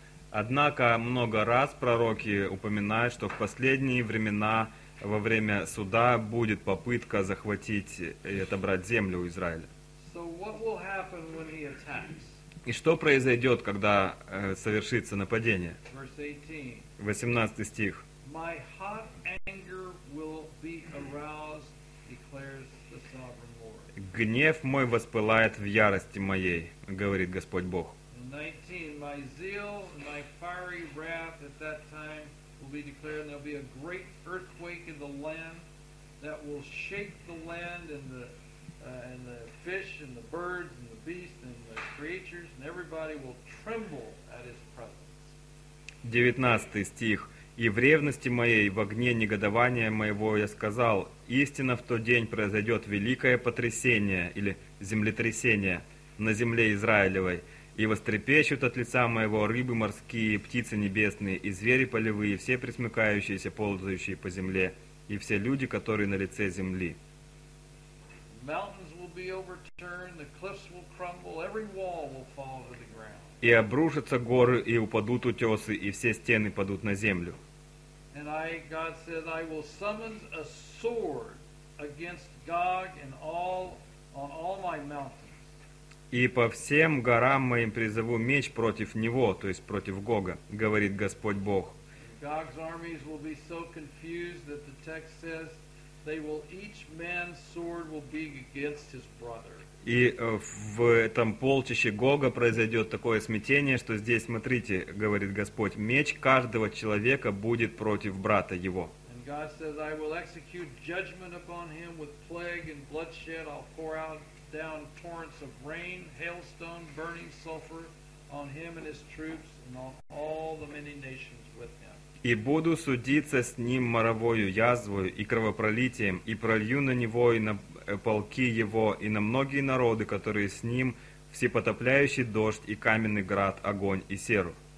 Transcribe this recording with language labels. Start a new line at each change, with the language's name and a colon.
Russian: Однако много раз пророки упоминают, что в последние времена, во время суда, будет попытка захватить и отобрать землю у Израиля.
English: So what will happen when he attacks?
Russian: И что произойдет, когда совершится нападение? 18 стих.
English: My hot anger will be aroused, declares the sovereign Lord.
Russian: Гнев мой воспылает в ярости моей, говорит Господь Бог.
English: 19. My zeal and my fiery wrath at that time will be declared, and there will be a great earthquake in the land that will shake the land and the fish and the birds and the beasts and the creatures and everybody will tremble at his presence.
Russian: 19 стих. И в ревности моей, в огне негодования моего я сказал, истинно в тот день произойдет великое потрясение или землетрясение на земле Израилевой, и вострепещут от лица моего рыбы морские, птицы небесные и звери полевые, все пресмыкающиеся, ползающие по земле, и все люди, которые на лице земли.
English: Mountains will be overturned, the cliffs will crumble, every wall will fall to the ground.
Russian: И обрушатся горы, и упадут утесы, и все стены падут на землю.
English: And I, God says, I will summon a sword against Gog and all on all my mountains.
Russian: И по всем горам моим призову меч против него, то есть против Гога, говорит Господь Бог.
English: Gog's armies will be so confused that the text says, they will each man's sword will be against his brother.
Russian: И в этом полчище Гога произойдет такое смятение, что здесь, смотрите, говорит Господь, меч каждого человека будет против брата его.
English: And God says, I will execute judgment upon him with plague and bloodshed. I'll pour out down torrents of rain, hailstone, burning sulfur on him and his troops and on all the many nations with him.
Russian: И буду судиться с ним моровою язвою и кровопролитием, и пролью на него и на полки его, и на многие народы, которые с ним, всепотопляющий дождь и каменный град, огонь и серу.